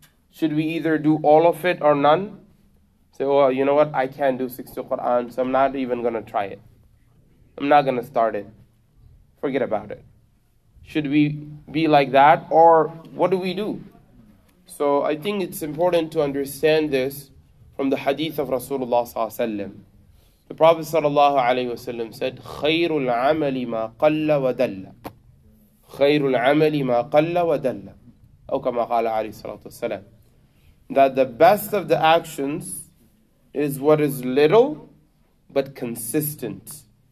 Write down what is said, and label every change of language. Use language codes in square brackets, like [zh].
[en] Should we either do all of it or none? Say, well, you know what, I can't do 60 Qur'an, so I'm not even going to try it. I'm not going to start it. Forget about it. Should we be like that, or what do we do? So I think it's important to understand this from the hadith of Rasulullah صلى الله عليه وسلم. The Prophet [ar] صلى الله عليه وسلم [en] said, [ar] خَيْرُ الْعَمَلِ مَا قَلَّ وَدَلَّ. خَيْرُ الْعَمَلِ مَا قَلَّ وَدَلَّ. أو كما قال عليه الصلاة والسلام. [en] That the best of the actions is what is little but consistent.